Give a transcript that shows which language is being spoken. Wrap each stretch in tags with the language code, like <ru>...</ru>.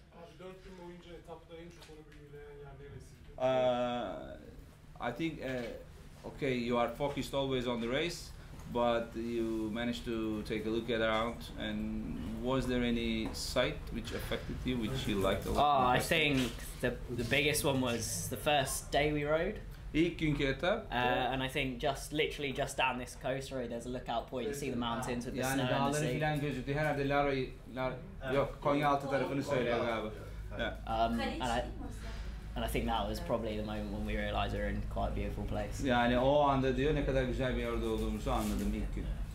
<tr>Abi 4 gün boyunca etapta en çok onu bilgiyle yerleyemezsin.</tr> <en>I think, okay, you are focused always on the race, but you managed to take a look around, and was there any sight which affected you, which you liked a lot? Oh, I think the biggest one was the first day we rode.</en> <tr>İlk günkü etap.</tr> <en>And I think just down this coast road, there's a lookout point. You see the mountains with the</en> <tr>yani</tr> <en>snow.</en> <tr>Yani dağları filan gözüktü. Herhalde Rooy, yok, Konyaaltı tarafını söylüyor galiba.</tr> <en>And I think that was probably the moment when we realized we're in quite a beautiful place.</en> <tr>Yani o anda diyor ne kadar güzel bir yerde olduğumuzu anladım ilk gün.</tr>